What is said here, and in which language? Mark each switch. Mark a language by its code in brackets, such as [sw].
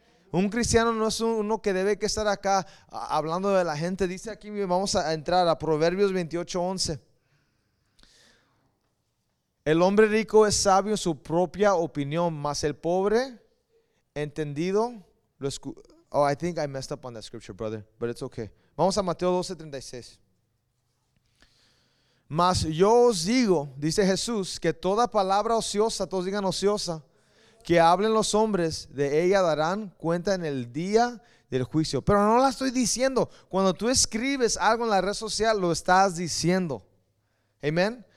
[es] Un cristiano no es uno que debe que estar acá hablando de la gente. Dice aquí, vamos a entrar a Proverbios 28:11. El hombre rico es sabio en su propia opinión, mas el pobre entendido lo escucha. [en] Oh, I think I messed up on that scripture, brother, but it's okay. [es] Vamos a Mateo 12:36. Mas yo os digo, dice Jesús, que toda palabra ociosa, todos digan ociosa, que hablen los hombres, de ella darán cuenta en el día del juicio. Pero no la estoy diciendo. Cuando tú escribes algo en la red social, lo estás diciendo. Amén.